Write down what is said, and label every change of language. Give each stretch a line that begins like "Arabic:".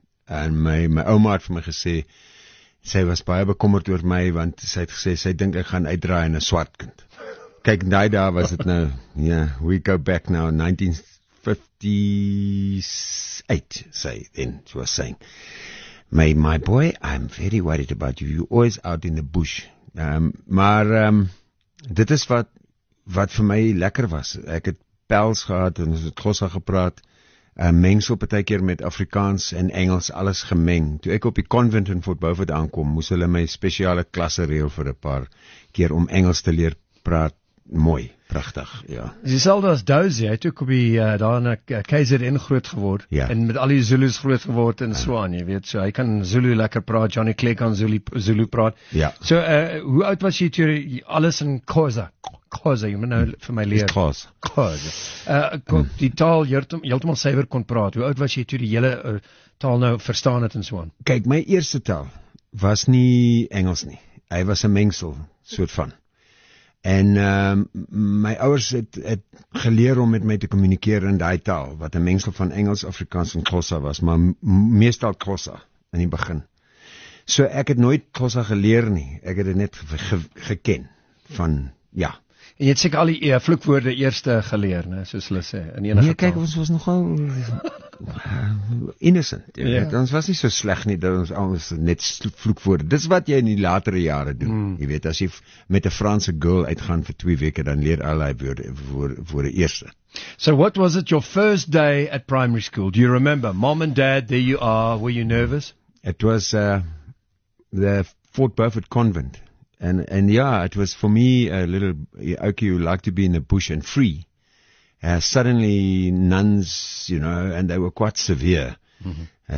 Afrikaans: En my ouma het vir my gesê, sy was baie bekommerd oor my, want sy het gesê, sy dink ek gaan uitdraai in 'n swart kind. Kyk, daai dae was dit nou,
English: yeah, we go back now, 1958, sy, then, she was saying, my boy, I'm very worried about you, you're always out in the bush.
Afrikaans: Maar dit is wat vir my lekker was. Ek het pels gehad, en ons het Xhosa gepraat, mengsel partykeer met Afrikaans en Engels, alles gemeng. Toe ek op die convent in Fort Beaufort aankom, moes hulle my spesiale klasse reël vir 'n paar keer om Engels te leer praat. Mooi, prachtig, ja. Is dieselfde as Dozie, hy het ook op die, daar in KZN groot geword, ja. En met al die Zulus groot geword in Swaan, jy weet, so hy kan Zulu lekker praat, Johnny Clegg kan Zulu praat. Ja. So, hoe oud was jy toe, alles in Khoza? Khoza, jy moet nou vir my leer. Khoza. Khoza. Die taal, jy het syver kon praat, hoe oud was jy toe die hele taal nou verstaan het in Swaan? Kijk, my eerste taal was nie Engels nie, hy was 'n mengsel, soort van. En my ouers het geleer om met my te communiceren in die taal, wat een mengsel van Engels, Afrikaans en Xhosa was, maar meestal Xhosa in die begin. So ek het nooit Xhosa geleer nie, ek het het net geken van, ja. En jy het seker al die vloekwoorde eerste geleer, ne, soos hulle sê, in enige taal. Nee, kyk, ons was nogal innocent, jy weet, ons was nie so sleg nie, dat ons alles net vloekwoorde, dis wat jy in die latere jare doen, jy weet, as jy met 'n Franse girl uitgaan vir 2 weke, dan leer al die woorde eerste.
English: So what was it your first day at primary school? Do you remember? Mom and Dad, there you are, were you nervous? It was the Fort Beaufort Convent. And yeah, it was for me a little, okay, you like to be in the bush and free. Suddenly nuns, you know, and they were quite severe. Mm-hmm.